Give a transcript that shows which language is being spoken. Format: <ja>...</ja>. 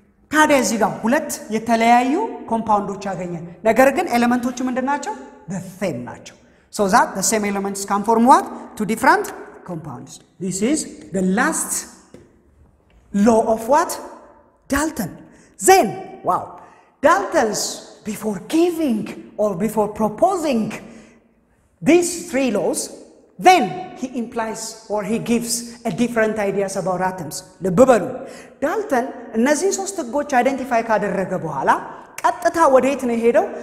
<am>ታዲያ እዚህ ጋር ሁለት የተለያዩ ኮምፓውንዶች አገኘ፣ ነገር ግን ኤሌመንቶቹ ምንድናቸው?</am> <en>the same</en> <am>ናቸው።</am> <en>so that the same elements can form what? two different compounds. this is the last law of what? Dalton. then wow, Dalton's before proposing these three laws, then he implies or he gives a different ideas about atoms.</en> <am>ልብ በሉ ዳልተን እነዚህ ሶስት ህጎች አይደንቲፋይ ካደረገ በኋላ ቀጥታ ወዴት ነው የሄደው?</am>